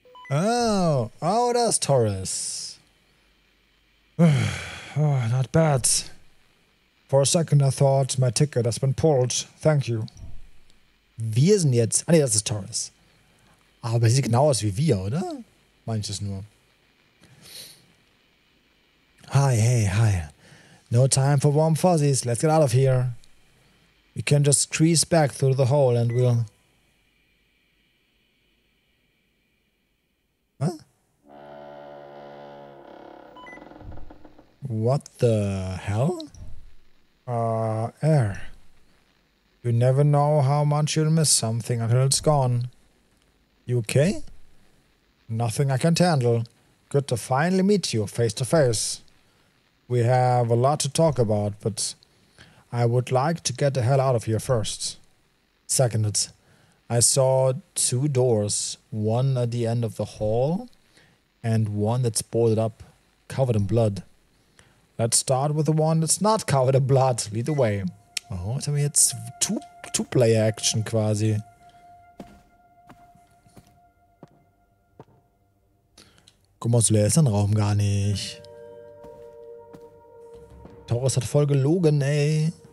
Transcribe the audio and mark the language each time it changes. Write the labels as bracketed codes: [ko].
[en] Oh, that's Taurus. Oh, not bad. For a second I thought my ticket has been pulled. Thank you. [de] Wir sind jetzt... Ah, nee, das ist Taurus. Aber sie sieht genau aus wie wir, oder? Meine ich das nur. [en] Hi, hey, hi. No time for warm fuzzies. Let's get out of here. We can just squeeze back through the hole and we'll... What the hell? Air. You never know how much you'll miss something until it's gone. You okay? Nothing I can't handle. Good to finally meet you face to face. We have a lot to talk about, but I would like to get the hell out of here first. Second, I saw two doors, one at the end of the hall and one that's boarded up, covered in blood. Let's start with the one that's not covered in blood. Lead the way. [de] Oh, jetzt haben wir jetzt Two-Player-Action quasi. Guck mal, so leer ist der Raum gar nicht. Taurus hat voll gelogen, ey.